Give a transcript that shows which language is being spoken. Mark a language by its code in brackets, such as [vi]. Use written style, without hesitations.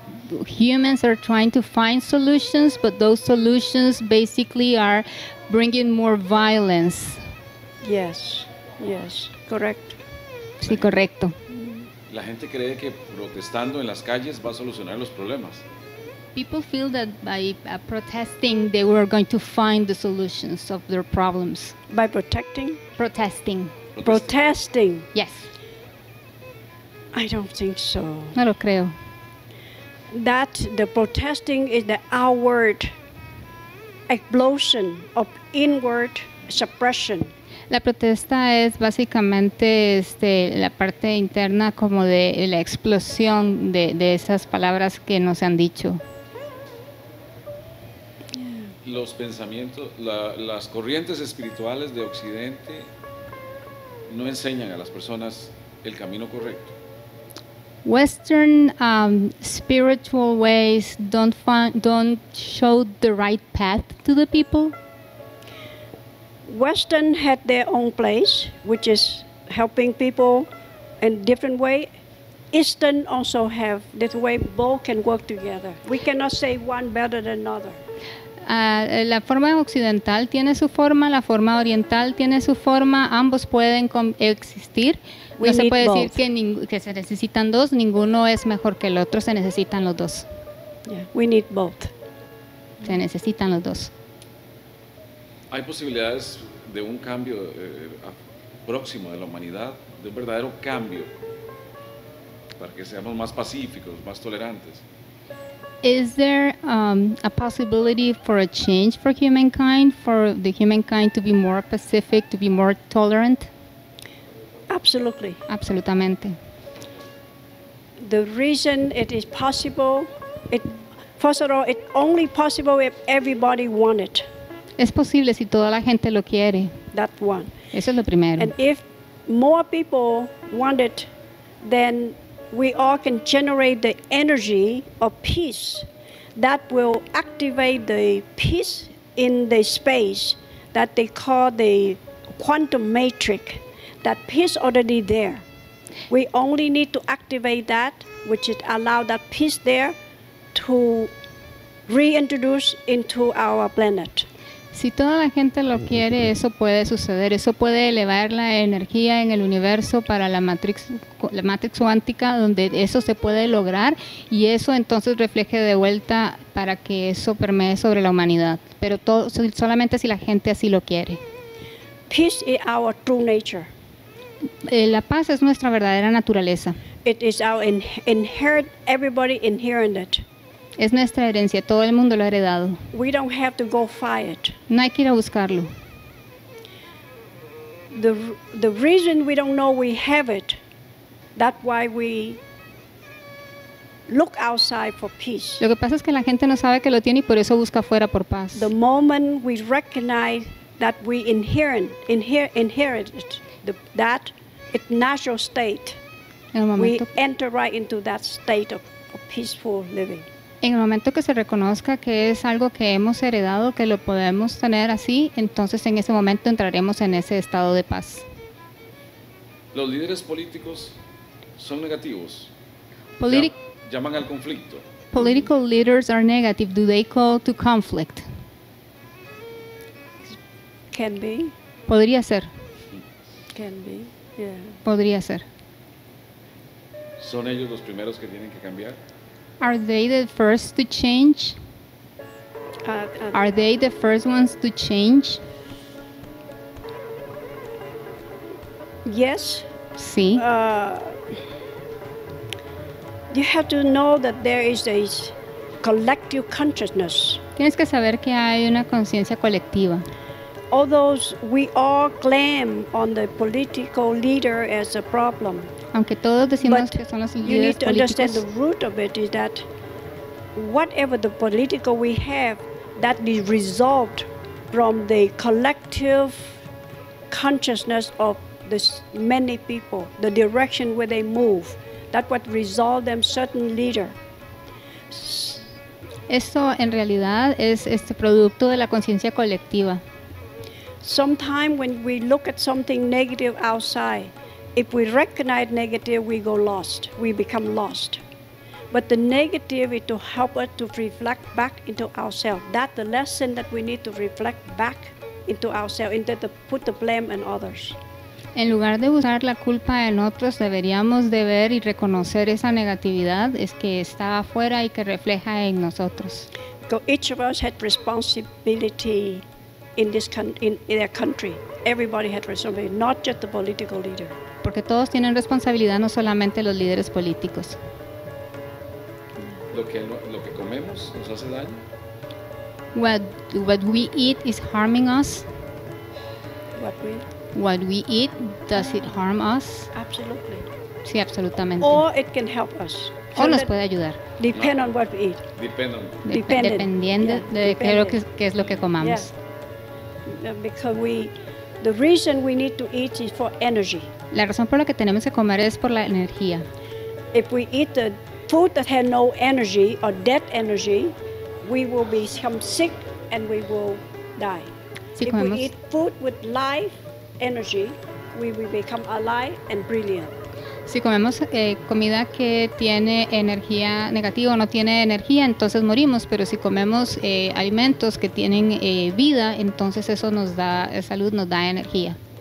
[en] Humans are trying to find solutions, but those solutions basically are bringing more violence. Yes, yes, correct. [es] Sí, correcto. La gente cree que protestando en las calles va a solucionar los problemas. [en] People feel that by protesting they were going to find the solutions of their problems. By protecting? Protesting. Protesting. Yes. I don't think so. [es] No lo creo. [en] That the protesting is the outward explosion of inward suppression. [es] La protesta es básicamente la parte interna como de la explosión de esas palabras que no se han dicho. Los pensamientos, las corrientes espirituales de Occidente no enseñan a las personas el camino correcto. [en] Western spiritual ways don't show the right path to the people. Western had their own place, which is helping people in different way. Eastern also have this way. Both can work together. We cannot say one better than another. [es] La forma occidental tiene su forma, la forma oriental tiene su forma. Ambos pueden existir. [en] We [es] no se puede [en] both. [es] Decir que se necesitan dos. Ninguno es mejor que el otro. Se necesitan los dos. [en] Yeah. We need both. [es] Se necesitan los dos. ¿Hay posibilidades de un cambio próximo de la humanidad, de un verdadero cambio, para que seamos más pacíficos, más tolerantes? [en] Is there a possibility for a change for humankind, for the humankind to be more pacific, to be more tolerant? Absolutely. [es] Absolutamente. [en] The reason it is possible, it's only possible if everybody want it. [es] Es posible si toda la gente lo quiere. [en] That one. [es] Eso es lo primero. [en] And if more people want it, then we all can generate the energy of peace that will activate the peace in the space that they call the quantum matrix. That peace already there. We only need to activate that, which is allow that peace there to reintroduce into our planet. [es] Si toda la gente lo quiere, eso puede suceder. Eso puede elevar la energía en el universo para la matrix cuántica, donde eso se puede lograr y eso entonces refleje de vuelta para que eso permee sobre la humanidad. Pero solamente si la gente así lo quiere. [en] Peace is our true nature. [es] La paz es nuestra verdadera naturaleza. [en] It is our inherent, everybody inherent it. [es] Es nuestra herencia, todo el mundo lo ha heredado. [en] We don't have to go find it. [es] No hay que ir a buscarlo. [en] The reason we don't know we have it, that's why we look outside for peace. [es] Lo que pasa es que la gente no sabe que lo tiene y por eso busca fuera por paz. [en] The moment we recognize that we inherit it, that it's natural state, we enter right into that state of peaceful living. [es] En el momento que se reconozca que es algo que hemos heredado, que lo podemos tener así, entonces en ese momento entraremos en ese estado de paz. Los líderes políticos son negativos. Llaman al conflicto. [en] Political leaders are negative. Do they call to conflict? Can be. [es] Podría ser. [en] Can be. Yeah. [es] Podría ser. ¿Son ellos los primeros que tienen que cambiar? [en] Are they the first to change? Are they the first ones to change? Yes. [es] Sí. [en] You have to know that there is a collective consciousness. [es] Tienes que saber que hay una conciencia colectiva. [en] Although we all claim on the political leader as a problem. [es] Aunque todos decimos que son los líderes políticos. [en] You need to understand the root of it is that whatever the political we have, that is resolved from the collective consciousness of the many people, the direction where they move. That what resolve them certain leader. [es] Esto en realidad es este producto de la conciencia colectiva. [en] Sometimes when we look at something negative outside, if we recognize negative, we go lost. We become lost. But the negative is to help us to reflect back into ourselves. That's the lesson that we need to reflect back into ourselves, instead of put the blame on others. [es] En lugar de usar la culpa en otros, deberíamos de ver y reconocer esa negatividad, es que está afuera y que refleja en nosotros. [en] So each of us had responsibility in this in their country. Everybody had responsibility, not just the political leader. [es] Porque todos tienen responsabilidad, no solamente los líderes políticos. Lo que comemos nos hace daño. [en] What we eat is harming us. What we eat, does it harm us? Absolutely. [es] Sí, absolutamente. [en] Or it can help us. [es] O nos puede ayudar. [en] Depend on what we eat. [es] Dependiendo de qué es lo que comamos. [en] Yeah. Because the reason we need to eat is for energy. [es] La razón por la que tenemos que comer es por la energía. [en] If we eat the food that has no energy or dead energy, we will become sick and we will die. [es] Si [en] if [es] comemos, [en] we eat food with life energy, we will become alive and brilliant. [es] Si comemos comida que tiene energía negativa o no tiene energía, entonces morimos. Pero si comemos alimentos que tienen vida, entonces eso nos da salud, nos da energía.